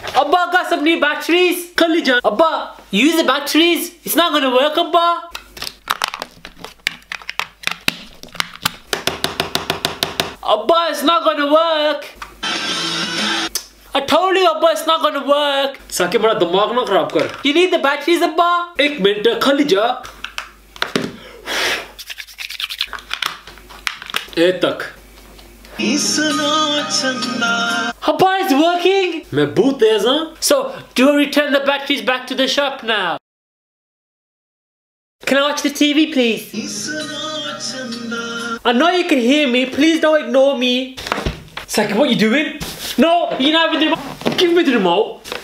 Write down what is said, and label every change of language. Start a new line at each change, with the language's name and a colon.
English: Abba, I got some new batteries.
Urdu: Kali jaan.
English: Abba, use the batteries. It's not gonna work, Abba. Abba, it's not gonna work. I told you, Abba, it's not gonna work.
Urdu: Saqib, میرا دماغ نہ خراب کر۔
English: You need the batteries, Abba.
Urdu: ایک minute, خالی جا۔ Eh, tak.
English: Abba, it's working.
Urdu: میں بہت تیز ہوں۔
English: So, do I return the batteries back to the shop now? Can I watch the TV, please? I know you can hear me. Please don't ignore me. Saqib, what are you doing? No, you're not with the remote. Give me the remote.